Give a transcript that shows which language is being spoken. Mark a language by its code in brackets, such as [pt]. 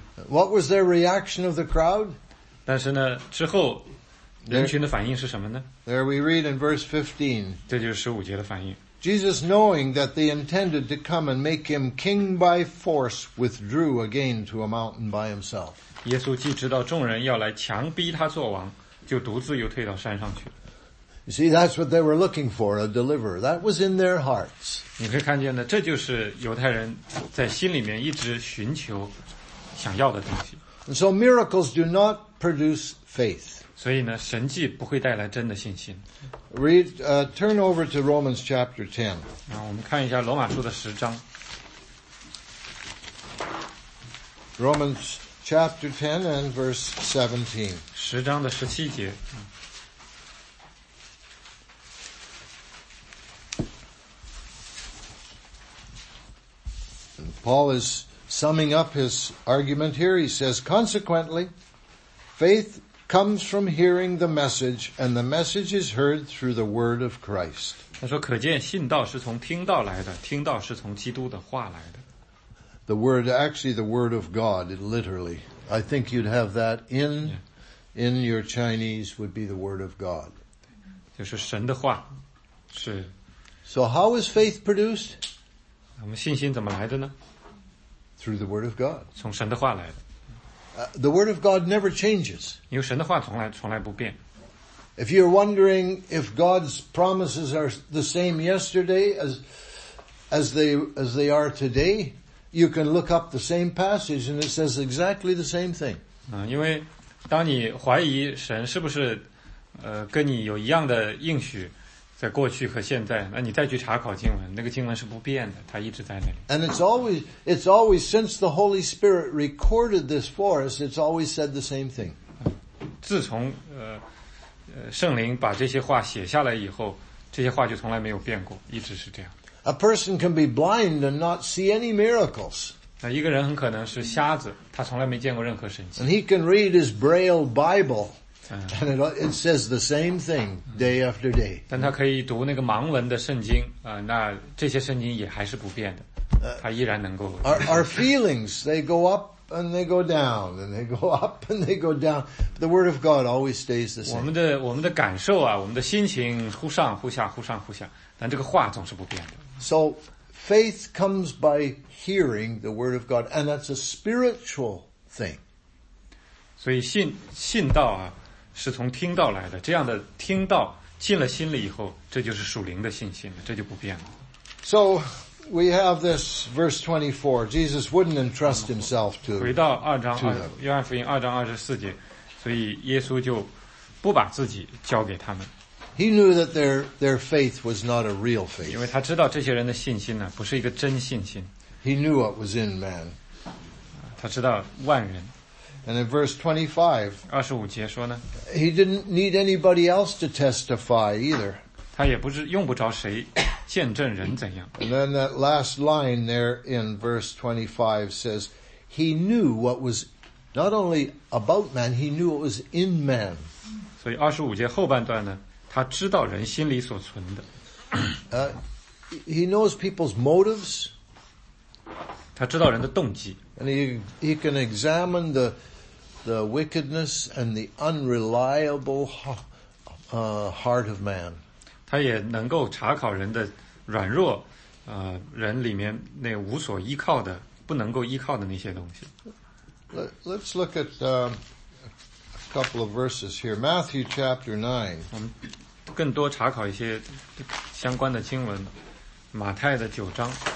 [en] What was their reaction of the crowd? [zh] 但是呢，之后人群的反应是什么呢？ [en] There we read in verse 15. [zh] 这就是十五节的反应。 [en] Jesus, knowing that they intended to come and make him king by force, withdrew again to a mountain by himself. [zh] 耶稣既知道众人要来强逼他做王，就独自又退到山上去。 [en] You see, that's what they were looking for, a deliverer. That was in their hearts. [zh] 你可以看见呢，这就是犹太人在心里面一直寻求想要的东西。 [en] And so miracles do not produce faith. [zh] 所以呢，神迹不会带来真的信心。 [en] Turn over to Romans chapter 10. [zh] 那我们看一下罗马书的十章。 [en] Romans chapter 10 and verse 17. [zh] 十章的十七节。 [en] Paul is summing up his argument here. He says, consequently, faith comes from hearing the message, and the message is heard through the word of Christ. [zh] 他说可见信道是从听道来的，听道是从基督的话来的。 [en] The word, actually the word of God, literally. I think you'd have that in in your Chinese would be the word of God. [zh] 就是神的话，是。 [en] So how is faith produced? [zh] 我们信心怎么来的呢？ [en] Through the word of God. [zh] 从神的话来的。 [en] The word of God never changes. [zh] 因为神的话从来不变。 [en] If you're wondering if God's promises are the same yesterday as they are today, you can look up the same passage and it says exactly the same thing. [zh] 因为当你怀疑神是不是跟你有一样的应许在过去和现在，那你再去查考经文，那个经文是不变的，它一直在那里。 [en] And it's always since the Holy Spirit recorded this for us, it's always said the same thing. [zh] 自从圣灵把这些话写下来以后，这些话就从来没有变过，一直是这样。 [en] A person can be blind and not see any miracles. [zh] 那一个人很可能是瞎子，他从来没见过任何神迹。 [en] And he can read his Braille Bible. And it says the same thing day after day. [zh] 但他可以读那个盲文的圣经那这些圣经也还是不变的，他依然能够。 [en] Our feelings, they go up and they go down, and they go up and they go down. The word of God always stays the same. [zh] 我们的感受啊，我们的心情忽上忽下，忽上忽下，但这个话总是不变的。 [en] So faith comes by hearing the word of God, and that's a spiritual thing. [zh] 所以信道啊。是从听到来的，这样的听到进了心里以后，这就是属灵的信心了，这就不变了。 [en] So we have this verse 24. Jesus wouldn't entrust himself to. [zh] 回到二章二约翰福音二章二十四节，所以耶稣就不把自己交给他们。 [en] He knew that their faith was not a real faith. [zh] 因为他知道这些人的信心呢，不是一个真信心。 [en] He knew what was in man. [zh] 他知道万人。 [en] And in verse 25, [zh] 25节说呢 [en] he didn't need anybody else to testify either. [zh] 他也不是用不着谁见证人怎样。 [en] And then that last line there in verse 25 says, he knew what was not only about man, he knew what was in man. [zh] 所以25节后半段呢他知道人心里所存的。 [en] He knows people's motives. [zh] 他知道人的动机。 [en] And he can examine the wickedness and the unreliable heart of man. [zh] 他也能够查考人的软弱，人里面那无所依靠的、不能够依靠的那些东西。 [en] Let's look at a couple of verses here. Matthew chapter 9. [zh] 我们更多查考一些相关的经文，马太的九章。